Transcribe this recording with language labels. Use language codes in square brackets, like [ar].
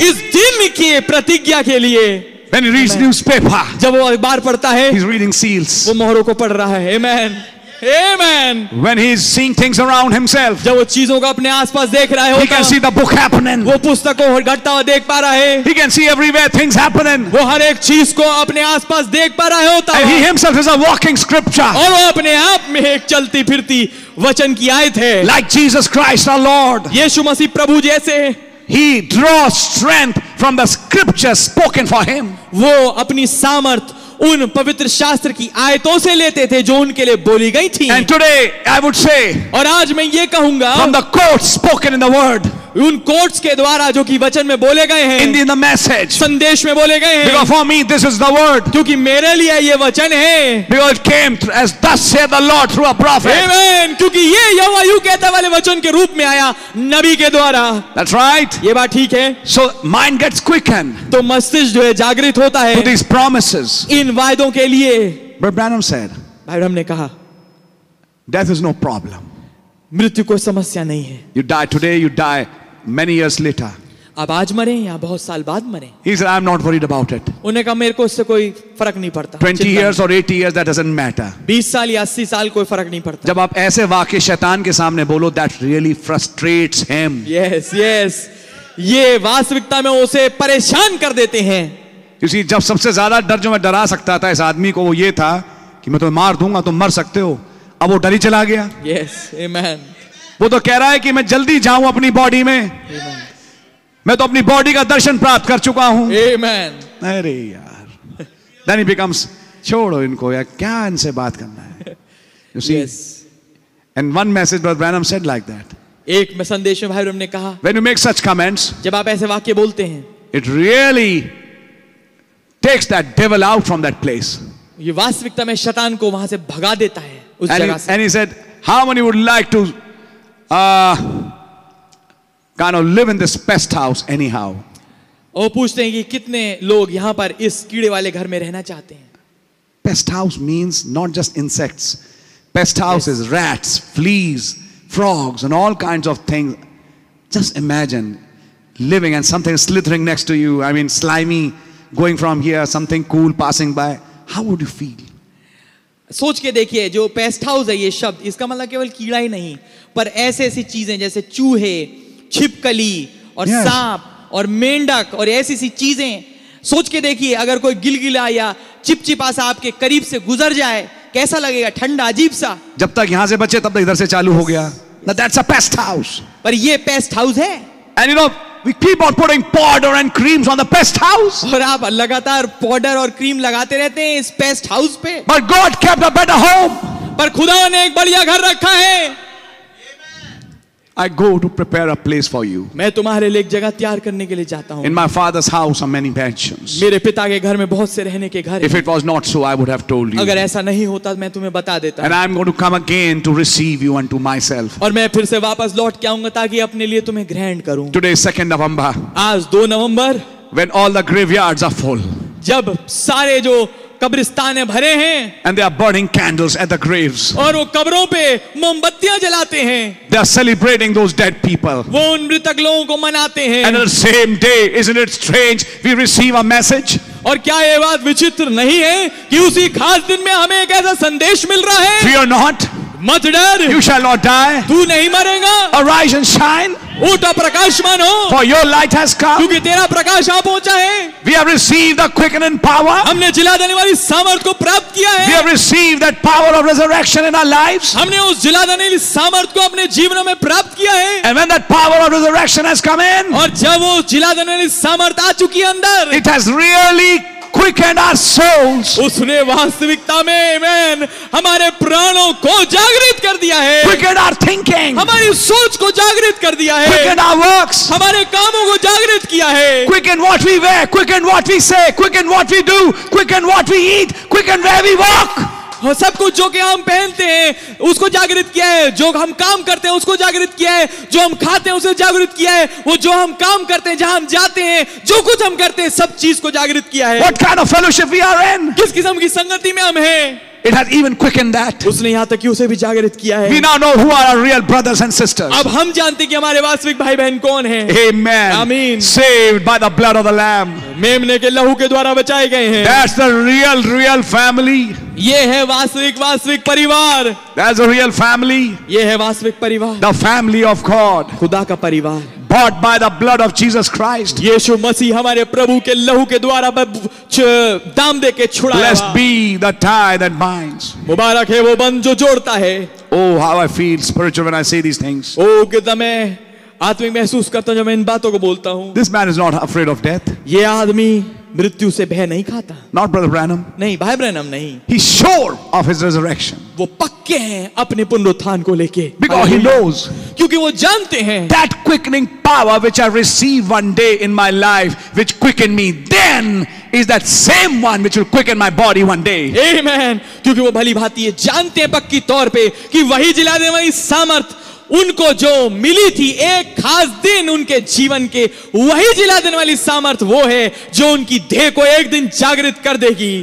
[hi] इस दिन की प्रतिज्ञा के लिए. [en] When he reads newspaper. [hi] जब वो अखबार पढ़ता है. [en] He's reading seals. [hi] वो मोहरों को पढ़ रहा है. Amen. Amen. [en] When he is seeing things around himself, [hi] जब वो चीजों को अपने आसपास देख रहा है, [en] he can see the book happening. [hi] वो पुस्तक को घटता हुआ देख पा रहा है. [en] He can see everywhere things happening. [hi] वो हर एक चीज को अपने आसपास देख पा रहा होता है. [en] And he himself is a walking scripture. [hi] और वो अपने आप में एक चलती फिरती वचन की आयत है. [en] Like Jesus Christ, our Lord. [hi] यीशु मसीह प्रभु जैसे. [en] He draws strength from the scriptures spoken for him. [hi] वो अपनी सामर्थ उन पवित्र शास्त्र की आयतों से लेते थे जो उनके लिए बोली गई थी. [en] And today I would say, [hi] और आज मैं ये कहूंगा, [en] from the quotes spoken in the word, [hi] उन कोट्स के द्वारा जो कि वचन में बोले गए हैं, [en] in the message, [hi] संदेश में बोले गए हैं, [en] because for me this is the word, [hi] क्योंकि मेरे लिए ये वचन है, [en] because it came through, as thus said the Lord through a prophet, [hi] amen, क्योंकि ये यहोवा यूं कहता वाले वचन के रूप में आया नबी के द्वारा. [en] That's right. [hi] ये बात ठीक है. [en] So mind gets quickened. [hi] तो मस्तिष्क जो है जागृत होता है. [en] To these promises. [hi] इन वायदों के लिए. [en] But Branham said. [hi] भाई ब्रह्म ने कहा. [en] Death is no problem. [hi] मृत्यु कोई समस्या नहीं है. [en] You die today, you die. Many years later. [hi] अब आज मरे या बहुत साल बाद मरे. [en] He said, I am not worried about it. [hi] उन्हें कहा मेरे को इससे कोई फर्क नहीं पड़ता. [en] 20 years or 80 years, that doesn't matter. [hi] 20 साल या 80 साल कोई फर्क नहीं पड़ता. जब आप ऐसे वाक्य शैतान के सामने बोलो, [en] that really frustrates him. Yes, yes. [hi] ये वास्तविकता में उसे परेशान कर देते हैं. [en] You see, [hi] जब सबसे ज्यादा डर जो मैं डरा सकता था इस आदमी को वो ये था कि मैं तुम्हें मार दूंगा, तुम मर सकते हो. अब वो डर ही चला गया. [en] Yes, amen. [hi] वो तो कह रहा है कि मैं जल्दी जाऊं अपनी बॉडी में. [en] Amen. [hi] मैं तो अपनी बॉडी का दर्शन प्राप्त कर चुका हूं. [en] Amen. [hi] अरे यार. [en] Then he becomes, [hi] छोड़ो इनको यार, क्या इनसे बात करना है. [en] You see? Yes. And one message Brother Branham said like that. [hi] एक संदेश में भाई ने कहा, [en] When you make such comments, [hi] जब आप ऐसे वाक्य बोलते हैं, [en] it really takes that devil out from that place. [hi] ये वास्तविकता में शैतान को वहां से भगा देता है उस जगह से. [en] And he said, how many would like to kind of live in this pest house anyhow. [hi] वो पूछते हैं कि कितने लोग यहां पर इस कीड़े वाले घर में रहना चाहते हैं. [en] Pest house means not just insects. Pest house is rats, fleas, frogs, and all kinds of things. Just imagine living and something slithering next to you. I mean, slimy going from here, something cool passing by. How would you feel? [hi] सोच के देखिए, जो paste house है ये शब्द, इसका मतलब केवल कीड़ा ही नहीं पर ऐसे ऐसी चीजें जैसे चूहे, छिपकली और yes. सांप और मेंढक और ऐसी ऐसी चीजें. सोच के देखिए, अगर कोई गिलगिला या चिपचिपा सा आपके करीब से गुजर जाए कैसा लगेगा? ठंडा, अजीब सा. जब तक यहां से बचे तब तक इधर से चालू हो गया. [en] Now that's a pest house. [hi] पर ये पेस्ट हाउस है. [en] And you know, we keep on putting powder and creams on the pest house. [hi] और आप लगातार पाउडर और क्रीम लगाते रहते हैं इस पेस्ट हाउस पे. [en] But God kept a better home. [hi] पर खुदा ने एक बढ़िया घर रखा है. [en] I go to prepare a place for you. [hi] मैं तुम्हारे लिए एक जगह तैयार करने के लिए जाता हूँ. [en] In my father's house are many mansions. [hi] मेरे पिता के घर में बहुत से रहने के घर. [en] If it was not so, I would have told you. [hi] अगर ऐसा नहीं होता, मैं तुम्हें बता देता. [en] And I am going to come again to receive you unto myself. [hi] और मैं फिर से वापस लौट के आऊँगा ताकि अपने लिए तुम्हें ग्रहण करूँ. [en] Today is 2nd November. [hi] आज 2 नवंबर. [en] When all the graveyards are full. [hi] जब सारे जो कब्रिस्तान भरे हैं. [en] And they are burning candles at the graves. [hi] और वो कब्रों पे मोमबत्तियां जलाते हैं. [en] They are celebrating those dead people. [hi] वो उन मृतक लोगों को मनाते हैं. [en] And on the same day, isn't it strange, we receive a message? [hi] और क्या ये बात विचित्र नहीं है कि उसी खास दिन में हमें एक ऐसा संदेश मिल रहा है. [en] Fear not. [hi] मत डर. [en] You shall not die. [hi] तू नहीं मरेगा. [en] Arise and shine. [hi] उठ प्रकाशमान हो. [en] For your light has come. [hi] क्योंकि तेरा प्रकाश आ पहुंचा है. [en] We have received the quickening power. [hi] हमने जिला देने वाली सामर्थ को प्राप्त किया है. [en] We have received that power of resurrection in our lives. [hi] हमने उस जिला देने वाली सामर्थ को अपने जीवन में प्राप्त किया है. [en] And when that power of resurrection has come in. [hi] और जब वो जिला देने वाली सामर्थ आ चुकी है अंदर. [en] It has really quickened our souls. [hi] उसने वास्तविकता में, amen, हमारे प्राणों को जागृत कर दिया है. [en] Quickened our thinking. [hi] हमारी सोच को जागृत कर दिया है. [en] Quickened our works. [hi] हमारे कामों को जागृत किया है. [en] Quickened what we wear. Quickened what we say. Quickened what we do. Quickened what we eat. Quickened where we walk. [hi] सब कुछ जो कि हम पहनते हैं उसको जागृत किया है. जो हम काम करते हैं उसको जागृत किया है. जो हम खाते हैं उसे जागृत किया है. वो जो हम काम करते हैं, जहां हम जाते हैं, जो कुछ हम करते हैं, सब चीज को जागृत किया है. [en] What kind of fellowship we are in? [hi] किस किस्म की संगति में हम हैं? [en] It has even quickened that. [hi] उसने यहां तक कि उसे भी जागृत किया है. [en] We now know who are our real brothers and sisters. [hi] अब हम जानते हैं कि हमारे वास्तविक भाई बहन कौन हैं. [en] Amen. Amen. Saved by the blood of the Lamb. [hi] मेमने के लहू के द्वारा बचाए गए हैं. [en] That's the real, real family. [hi] ये है वास्तविक वास्तविक परिवार. [en] That's a real family. [hi] ये है वास्तविक परिवार. [en] The family of God. [hi] खुदा का परिवार. [en] Bought by the blood of Jesus Christ. [hi] यीशु मसीह हमारे प्रभु के लहू के द्वारा दाम दे के छुड़ाया. [en] Blessed be the tie that binds. [hi] मुबारक है वो बंध जो जोड़ता है. [en] Oh, how I feel spiritual when I say these things. [hi] Oh, कितना मैं आत्मिक महसूस करता हूँ जब मैं इन बातों को बोलता हूँ. [en] This man is not afraid of death. [hi] ये आदमी मृत्यु से भय नहीं खाता. [en] Not Brother Branham. [hi] नहीं, भाई ब्रैनम नहीं. [en] He sure of his resurrection. [hi] वो पक्के हैं अपने पुनरुत्थान को लेके. [en] Because he knows. [hi] क्योंकि वो जानते हैं. [en] That quickening power which I receive one day in my life, which quickened me then, is that same one which will quicken my body one day. Amen. [hi] क्योंकि वो भली भांति ये जानते हैं पक्की तौर पे कि वही जिला देने वाली सामर्थ उनको जो मिली थी एक खास दिन उनके जीवन के, वही जिला देने वाली सामर्थ वो है जो उनकी देह को एक दिन जागृत कर देगी.